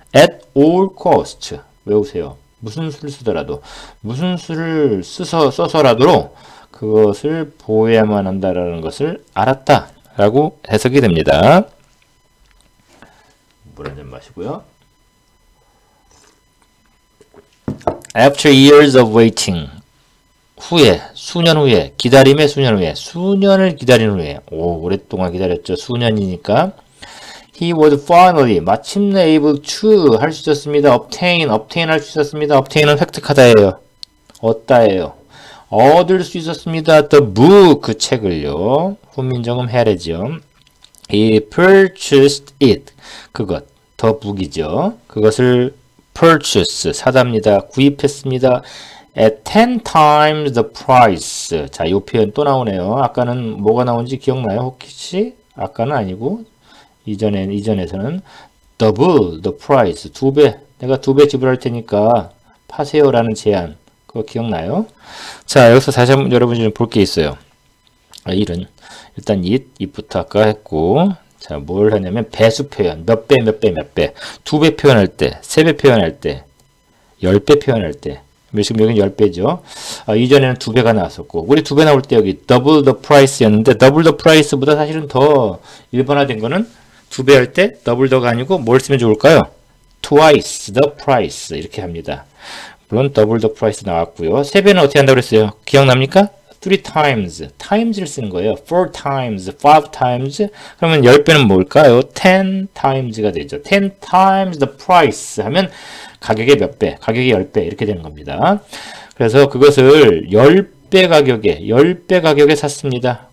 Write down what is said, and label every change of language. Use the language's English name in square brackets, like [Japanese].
[English] At all costs [Korean] 외우세요. 무슨 수를 쓰더라도 무슨 수를 써서라도 그것을 보호해야만 한다라는 것을 알았다라고 해석이 됩니다. 물 한 잔 마시고요. [English] After years of waiting. [Korean] 후에, 수년 후에, 기다림의 수년 후에, 수년을 기다린 후에, 오, 오랫동안 기다렸죠. 수년이니까. [English] He was finally, [Korean] 마침내 [English] able to, [Korean] 할 수 있었습니다. obtain 할 수 있었습니다. obtain은 획득하다예요. 얻다예요. 얻을 수 있었습니다. [English] The book, [Korean] 책을요. 훈민정음 헤레지엄. [English] He purchased it. [Korean] 그것. The book이죠. 그것을 purchase, 사답니다. 구입했습니다. [English] At 10 times the price. [Korean] 자, 요 표현 또 나오네요. 아까는 뭐가 나온지 기억나요? 혹시? 아까는 아니고. 이전에서는. [English] Double the price. [Korean] 두 배. 내가 두 배 지불할 테니까 파세요. 라는 제안. 그거 기억나요? 자, 여기서 다시 한번 여러분 좀 볼 게 있어요. 아, 일은. 일단 it, if부터 아까 했고. 자, 뭘 하냐면 배수 표현. 몇 배, 몇 배, 몇 배. 두 배 표현할 때. 세 배 표현할 때. 열 배 표현할 때. 지금 여기는 10배죠. 아, 이전에는 2배가 나왔었고 우리 2배 나올 때 여기 [English] double the price [Korean] 였는데 double the price보다 사실은 더 일반화된 거는 2배 할 때 double the가 아니고 뭘 쓰면 좋을까요? [English] twice the price [Korean] 이렇게 합니다. [English] 물론 double the price [Korean] 나왔고요. 3배는 어떻게 한다고 그랬어요? 기억납니까? [English] three times. [Korean] times를 쓰는 거예요. [English] four times, five times. [Korean] 그러면 10배는 뭘까요? ten times가 되죠. [English] ten times the price [Korean] 하면 가격의 몇 배? 가격의 10배. 이렇게 되는 겁니다. 그래서 그것을 10배 가격에 샀습니다.